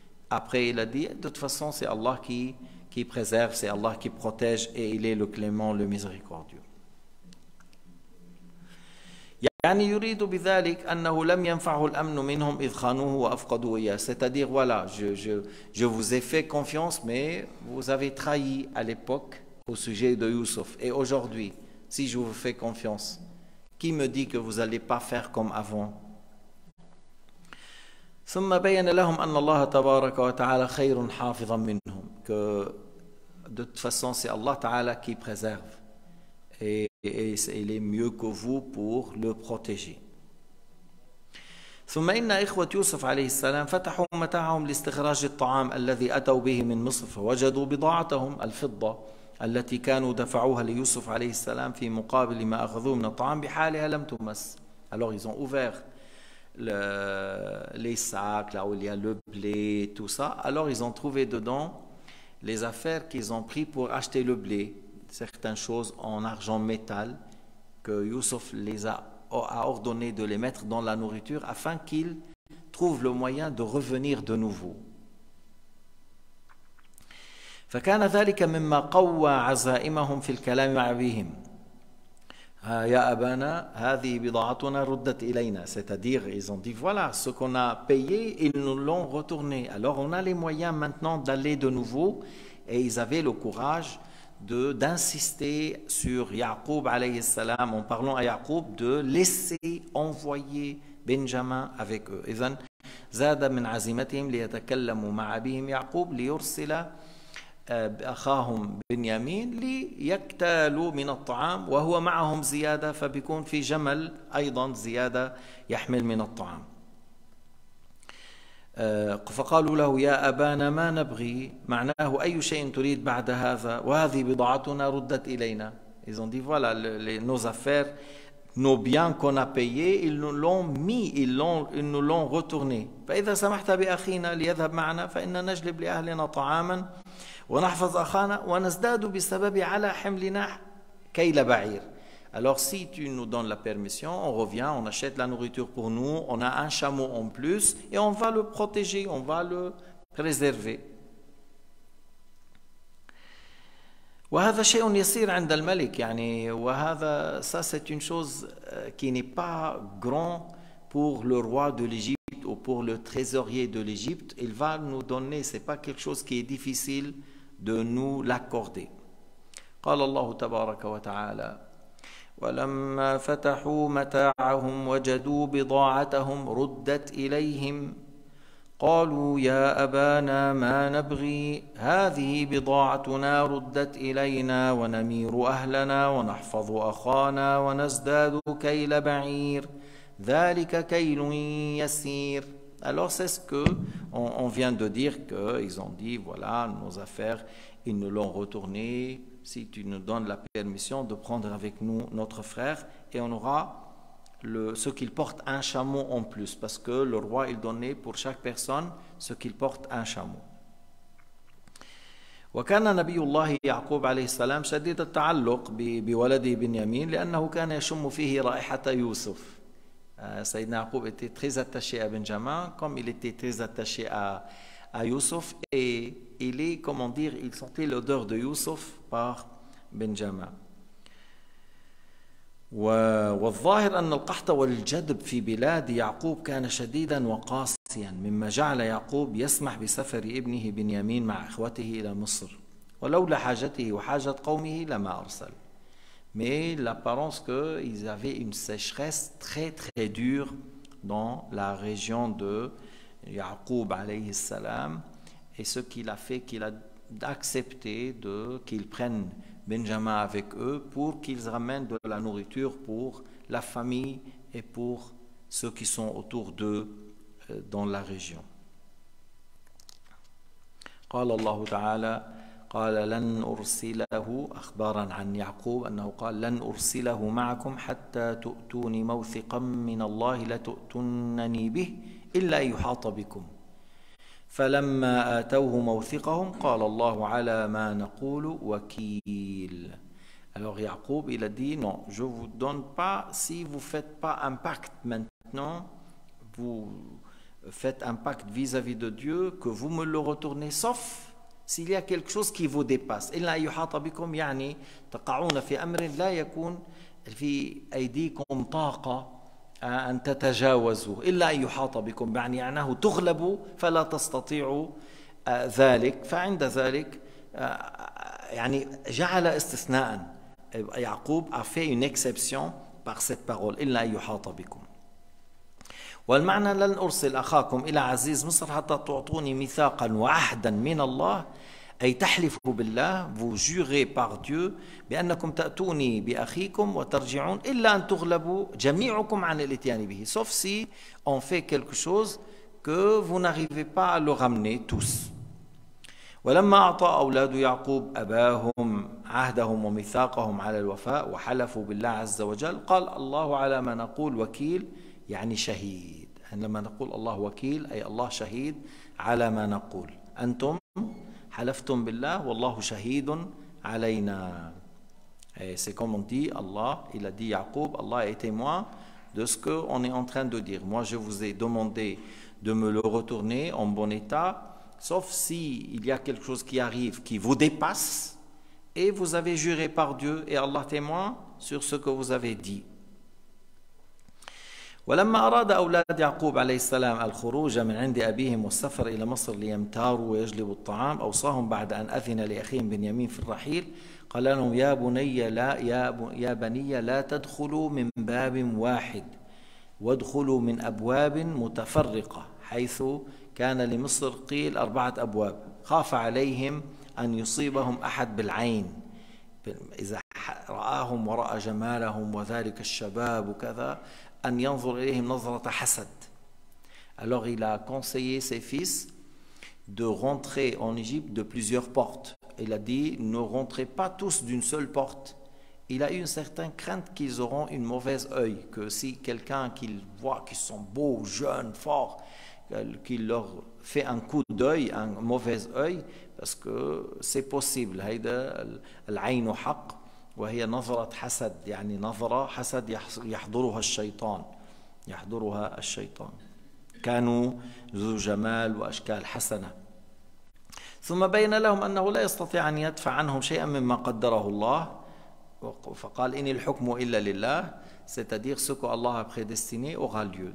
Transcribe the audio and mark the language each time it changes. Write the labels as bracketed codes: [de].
[fr] Après il a dit de toute façon c'est Allah qui préserve, c'est Allah qui protège et il est le clément, le miséricordieux. [ar] يعني يريد بذلك أنه لم ينفعه الأمن منهم إذ خانوه وأفقدوا إياه. [fr] C'est-à-dire voilà, je vous ai fait confiance mais vous avez trahi à l'époque au sujet de Youssef. Et aujourd'hui, si je vous fais confiance, qui me dit que vous n'allez pas faire comme avant? [ar] ثم بين لهم أن الله تبارك وتعالى خير حافظا منهم [fr] que de toute façon c'est Allah Ta'ala qui préserve et il est mieux que vous pour le protéger. [ar] ثم إن إخوة يوسف عليه السلام فتحوا متاعهم لاستخراج الطعام الذي أتوا به من مصر فوجدوا بضاعتهم الفضة التي كانوا دفعوها ليوسف عليه السلام في مقابل ما أخذوه من الطعام بحالها لم تمس. [fr] Alors ils ont ouvert les sacs là où il y a le blé, tout ça. Alors ils ont trouvé dedans les affaires qu'ils ont pris pour acheter le blé, certaines choses en argent métal que Youssef les a ordonné de les mettre dans la nourriture afin qu'ils trouvent le moyen de revenir de nouveau. [ar] فكان ذلك مما قوى عزائمهم في الكلام مع أبيهم. يا أبانا هذه بضاعتنا ردت إلينا. [fr] C'est-à-dire, ils ont dit, voilà, ce qu'on a payé, ils nous l'ont retourné. Alors, on a les moyens maintenant d'aller de nouveau. Et ils avaient le courage d'insister sur Yaqub alayhi salam, en parlant à Yaqub de laisser envoyer Benjamin avec eux. [ar] إذن زاد من عزيمتهم ليتكلموا مع أبيهم يعقوب ليرسل أخاهم بنيامين ليكتالوا من الطعام وهو معهم زيادة فبيكون في جمل أيضا زيادة يحمل من الطعام. فقالوا له يا أبانا ما نبغي معناه أي شيء تريد بعد هذا وهذه بضاعتنا ردت إلينا. [fr] Ils ont dit voilà nos affaires, nos biens qu'on a payés, ils nous l'ont mis, ils nous l'ont retourné. [ar] فإذا سمحت بأخينا ليذهب معنا فإن نجلب لأهلنا طعاما ونحفظ أخانا ونزداد بسبب على حملنا كيل بعير. [fr] Alors si tu nous donnes la permission, on revient, on achète la nourriture pour nous, on a un chameau en plus et on va le protéger, on va le préserver. [ar] وهذا شيء يسير عند الملك يعني وهذا [fr] ça c'est une chose qui n'est pas grand pour le roi de l'Égypte ou pour le trésorier de l'Égypte. Il va nous donner, c'est pas quelque chose qui est difficile de nous l'accorder. [ar] قال الله تبارك وتعالى ولما فتحوا متاعهم وجدوا بضاعتهم ردت إليهم قالوا يا أبانا ما نبغي هذه بضاعتنا ردت إلينا ونمير أهلنا ونحفظ أخانا ونزداد كيل بعير ذلك كيل يسير. [fr] Alors c'est ce que on vient de dire que ils ont dit voilà nos affaires ils nous l'ont retourné. Si tu nous donnes la permission de prendre avec nous notre frère et on aura ce qu'il porte un chameau en plus parce que le roi il donnait pour chaque personne ce qu'il porte un chameau. [ar] وكان نبي الله يعقوب عليه السلام شديد التعلق بولده بنيامين لأنه كان يشم فيه رائحة يوسف. [fr] سيدنا يعقوب était très attaché à Benjamin comme il était très attaché à Youssef et il est comment dire il sentait l'odeur de Youssef par Benjamin. [ar] والظاهر ان القحط والجدب في بلاد يعقوب كان شديدا وقاسيا مما جعل يعقوب يسمح بسفر ابنه بنيامين مع اخوته الى مصر ولولا حاجته وحاجة قومه لما ارسل. [fr] Mais l'apparence que ils avaient une sécheresse très très dure dans la région de Yaqub alayhi salam et ce qu'il a fait qu'il a accepté de qu'ils prennent Benjamin avec eux pour qu'ils ramènent de la nourriture pour la famille et pour ceux qui sont autour d'eux dans la région. [ar] قال الله تعالى قال لن أرسله أخبارا عن يعقوب أنه قال لن أرسله معكم حتى تؤتوني موثقا من الله لتؤتنني به إلا أن يحاط بكم فلما آتوه موثقهم قال الله على ما نقول وكيل. [fr] Alors يعقوب il a dit non je vous donne pas si vous faites pas un pacte maintenant vous faites un pacte vis-à-vis de Dieu que vous me le retournez sauf s'il y a quelque chose qui vous dépasse. [ar] إِلَّا يُحَاطَ بِكُمْ يعني تقعون في أمر لا يكون في أيديكم طاقة أن تتجاوزوا إِلَّا يُحَاطَ بِكُمْ يعني أنه تغلبوا فلا تستطيعوا ذلك. فعند ذلك يعني جعل استثناء يعقوب [fr] a fait une exception par cette parole [ar] إِلَّا يُحَاطَ بِكُمْ. والمعنى لن أرسل أخاكم إلى عزيز مصر حتى تعطوني ميثاقا وعهدا من الله، أي تحلفوا بالله، [fr] vous jurez par Dieu [ar] بأنكم تأتوني بأخيكم وترجعون، إلا أن تغلبوا جميعكم عن الاتيان به. [fr] Sauf si on fait quelque chose que vous n'arrivez pas à le ramener tous. [ar] ولما أعطى أولاد يعقوب أباهم عهدهم وميثاقهم على الوفاء وحلفوا بالله عز وجل، قال الله على ما نقول وكيل، يعني شهيد. عندما نقول الله وكيل أي الله شهيد على ما نقول، أنتم حلفتم بالله والله شهيد علينا. [fr] C'est comme on dit, Allah, il a dit Yaqub, Allah est témoin de ce qu'on est en train de dire. Moi, je vous ai demandé de me le retourner en bon état, sauf s'il y a quelque chose qui arrive qui vous dépasse et vous avez juré par Dieu et Allah témoin sur ce que vous avez dit. [ar] ولما أراد أولاد يعقوب عليه السلام الخروج من عند أبيهم والسفر إلى مصر ليمتاروا ويجلبوا الطعام، أوصاهم بعد أن أذن لأخيهم بنيامين في الرحيل، قال لهم يا بني لا تدخلوا من باب واحد وادخلوا من أبواب متفرقة، حيث كان لمصر قيل أربعة أبواب، خاف عليهم أن يصيبهم أحد بالعين إذا رآهم ورأى جمالهم وذلك الشباب وكذا، أن ينظر إليهم نظرة حسد. [fr] Alors il a conseillé ses fils de rentrer en Égypte de plusieurs portes. Il a dit, ne rentrez pas tous d'une seule porte. Il a eu une certaine crainte qu'ils auront une mauvaise œil, que si quelqu'un qu'il voit qu'ils sont beaux, jeunes, forts, qu'il leur fait un coup d'œil, un mauvais œil, parce que c'est possible. [ar] هذا العين حق وهي نظرة حسد، يعني نظرة حسد يحضرها الشيطان، يحضرها الشيطان. كانوا ذو جمال وأشكال حسنة. ثم بين لهم أنه لا يستطيع أن يدفع عنهم شيئا مما قدره الله، فقال إن الحكم إلا لله، [fr] c'est-à-dire ce que Allah a prédestiné aura lieu.